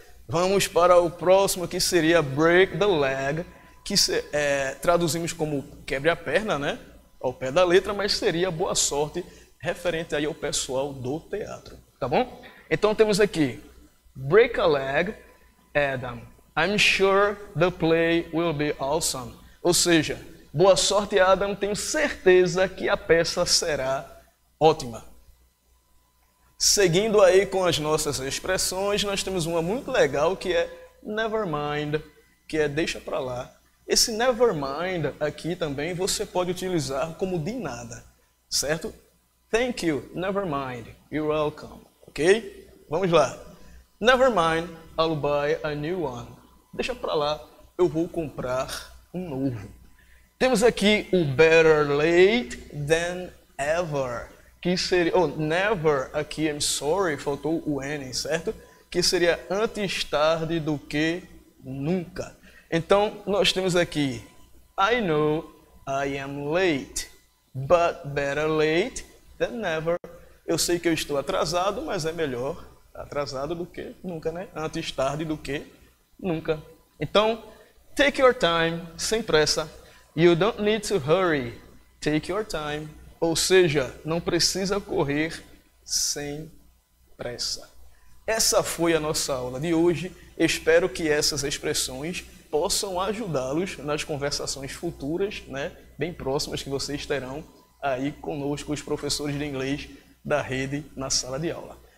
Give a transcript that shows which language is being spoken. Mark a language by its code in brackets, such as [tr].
[pt] Vamos para o próximo, que seria [en] break the leg, [pt] que traduzimos como quebre a perna, né? Ao pé da letra, mas seria boa sorte referente aí ao pessoal do teatro. Tá bom? Então temos aqui, [en] break a leg, [pt] Adam. [en] I'm sure the play will be awesome. [pt] Ou seja, boa sorte, Adam. Tenho certeza que a peça será ótima. Seguindo aí com as nossas expressões, nós temos uma muito legal, que é [en] never mind, [pt] que é deixa pra lá. Esse [en] never mind [pt] aqui também você pode utilizar como de nada, certo? [en] Thank you, never mind, you're welcome, ok? [pt] Vamos lá. [en] Never mind, I'll buy a new one. [pt] Deixa pra lá, eu vou comprar um novo. Temos aqui o [en] better late than [pt] ever, que seria, ou never, aqui, [en] I'm sorry, [pt] faltou o N, certo? Que seria antes tarde do que nunca. Então, nós temos aqui, [en] I know I am late, but better late than never. [pt] Eu sei que eu estou atrasado, mas é melhor atrasado do que nunca, né? Antes tarde do que nunca. Então, [en] take your time, [pt] sem pressa. [en] You don't need to hurry, take your time. [pt] Ou seja, não precisa correr sem pressa. Essa foi a nossa aula de hoje. Espero que essas expressões possam ajudá-los nas conversações futuras, né? Bem próximas que vocês terão aí conosco, os professores de inglês da rede na sala de aula.